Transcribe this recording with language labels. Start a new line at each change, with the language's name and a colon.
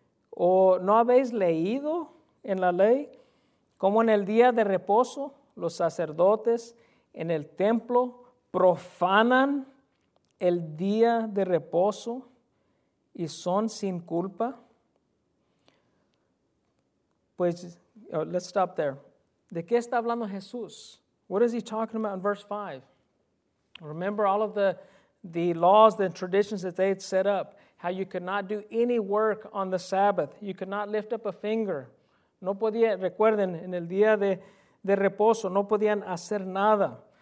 Spanish: ¿O no habéis leído en la ley cómo en el día de reposo los sacerdotes en el templo profanan el día de reposo y son sin culpa? Pues,
English: let's stop there.
Spanish: ¿De qué está hablando Jesús?
English: What is he talking about in verse 5? Remember all of the laws, the traditions that they had set up, how you could not do any work on the Sabbath. You could not lift up a finger.
Spanish: No podía, recuerden, en el día de reposo, no podían hacer nada.